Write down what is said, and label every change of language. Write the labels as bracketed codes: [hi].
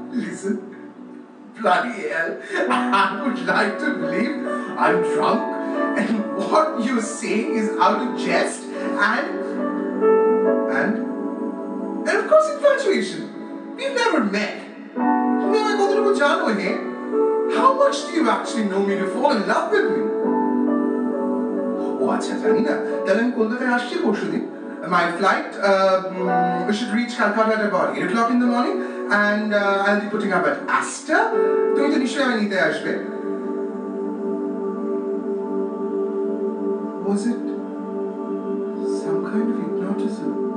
[en] Listen bloody hell, I would like to believe I'm drunk and what you say is out of jest and of course infatuation. We've never met. [bn] তুমি আমায় কতটুকু জানো হে? [en] How much do you actually know me to fall in love with me? [bn] Oh, আচ্ছা জানি না, তাহলে আমি কলকাতায় আসছি পরশুদিন। [en] My flight should reach Calcutta at about 8 o'clock in the morning and I'll be putting up at Astor. [bn] তুমি তো নিশ্চয়ই আমায় নিতে আসবে। [en] Was it some kind of hypnotism?